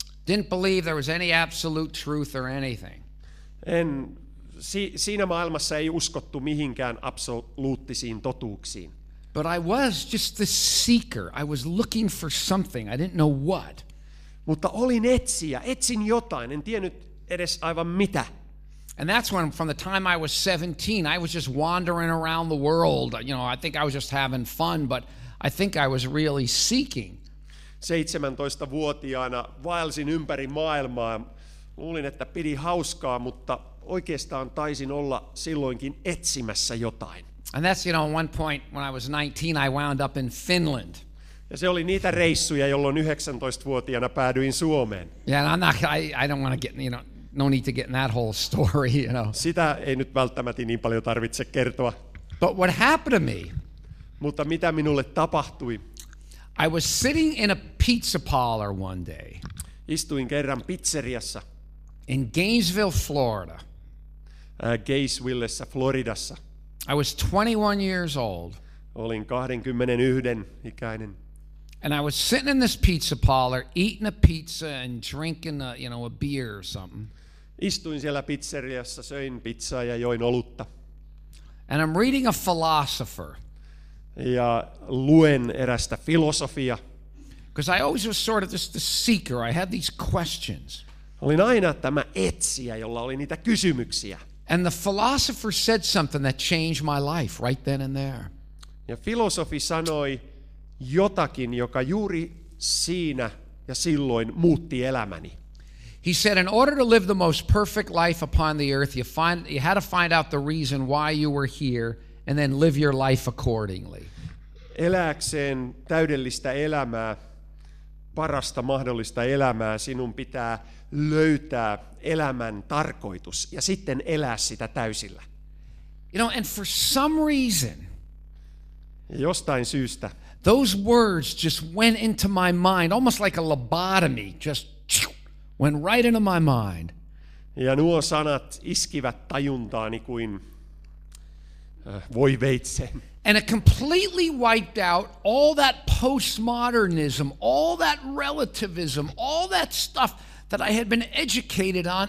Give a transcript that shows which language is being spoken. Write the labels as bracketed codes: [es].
[en] Didn't believe there was any absolute truth or anything. [fi] En siinä maailmassa ei uskottu mihinkään absoluuttisiin totuuksiin. [en] But I was just the seeker. I was looking for something. I didn't know what. [fi] Mutta olin etsijä, etsin jotain, en tiennyt edes aivan mitä. [en] And that's when, from the time I was 17, I was just wandering around the world. You know, I think I was just having fun, but I think I was really seeking. [fi] 17-vuotiaana vaelsin ympäri maailmaa. Luulin, että pidi hauskaa, mutta oikeastaan taisin olla silloinkin etsimässä jotain. [en] And that's, you know, one point when I was 19, I wound up in Finland. [fi] Ja se oli niitä reissuja, jolloin 19-vuotiaana päädyin Suomeen. [en] Yeah, and I don't want to get, you know, no need to get in that whole story, you know. [fi] Sitä ei nyt välttämättä niin paljon tarvitse kertoa. [en] But what happened to me? [fi] Mutta mitä minulle tapahtui? [en] I was sitting in a pizza parlor one day. [fi] Istuin kerran pizzeriassa. [en] In Gainesville, Florida. [fi] Gainesvillessä, Floridassa. [en] I was 21 years old. [fi] Olin 21 ikäinen. [en] And I was sitting in this pizza parlor eating a pizza and drinking a, you know, a beer or something. [fi] Istuin siellä pizzeriassa, söin pizzaa ja join olutta. [en] And I'm reading a philosopher. [fi] Ja luen erästä filosofia. [en] Because I always was sort of just the seeker. I had these questions. [fi] Olin aina tämä etsijä, jolla oli niitä kysymyksiä. [en] And the philosopher said something that changed my life right then and there. [fi] Ja filosofi sanoi jotakin, joka juuri siinä ja silloin muutti elämäni. [en] He said, in order to live the most perfect life upon the earth, you had to find out the reason why you were here, and then live your life accordingly. [fi] Elääkseen täydellistä elämää, parasta mahdollista elämää, sinun pitää löytää elämän tarkoitus ja sitten elää sitä täysillä. [en] You know, and for some reason, [fi] jostain syystä, [en] those words just went into my mind, almost like a lobotomy, just went right into my mind. [fi] Ja nuo sanat iskivät tajuntaani kuin voi veitse. [en] And it completely wiped out all that postmodernism, all that relativism, all that stuff that I had been educated on.